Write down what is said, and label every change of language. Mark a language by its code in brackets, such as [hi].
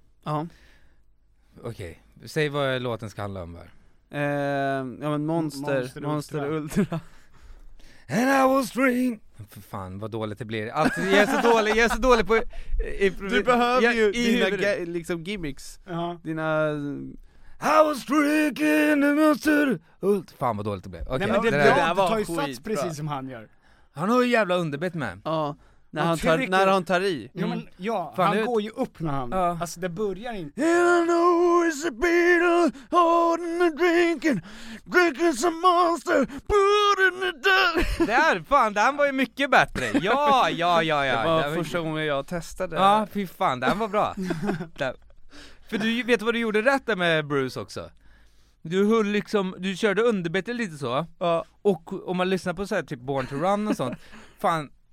[sv] Ja. Okej, okay. Säg vad låten ska handla om här. Ja, men Monster Ultra. [en] And I will string. [sv] För fan, vad dåligt det blir. Alltså, jag är så dålig på du behöver ju dina liksom gimmicks. Uh-huh. Dina [en] I was drinking the monster. [sv] Fan, vad dåligt det blir. Okay. Nej, men det där tar ju sats precis som han gör. Han har ju jävla underbett med. Ja. När han tar i. Ja, men ja, han går ju upp när han. Ja. Alltså det börjar inte. [en] And I know it's a beetle holding and drinking some monster, putting it down. [sv] Där, fan, den var ju mycket bättre. Ja. Det var första gången jag testade. Ja, fy fan, den var bra. För du vet vad du gjorde rätt där med Bruce också. Du höll liksom, du körde underbete lite så. Ja. Och om man lyssnar på så här typ Born to Run och sånt. Fan.